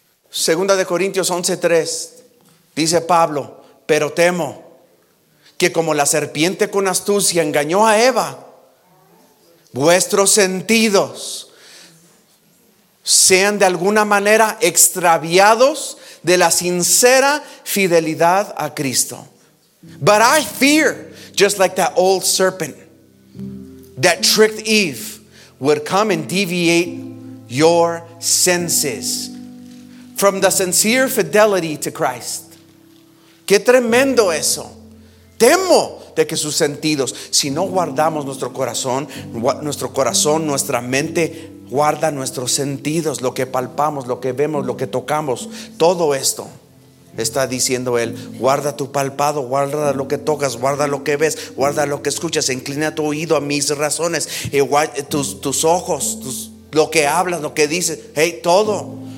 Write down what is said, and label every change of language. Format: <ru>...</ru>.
<es>Segunda de Corintios 11:3 dice Pablo, pero temo que como la serpiente con astucia engañó a Eva, vuestros sentidos sean de alguna manera extraviados de la sincera fidelidad a Cristo.</es> <en>But I fear, just like that old serpent that tricked Eve, would come and deviate your senses from the sincere fidelity to Christ.</en> <es>Qué tremendo eso. Temo de que sus sentidos, si no guardamos nuestro corazón, nuestra mente guarda nuestros sentidos, lo que palpamos, lo que vemos, lo que tocamos, todo esto. Está diciendo él, guarda tu palpado, guarda lo que tocas, guarda lo que ves, guarda lo que escuchas, inclina tu oído a mis razones, tus ojos, lo que hablas, lo que dices, hey, todo.</es>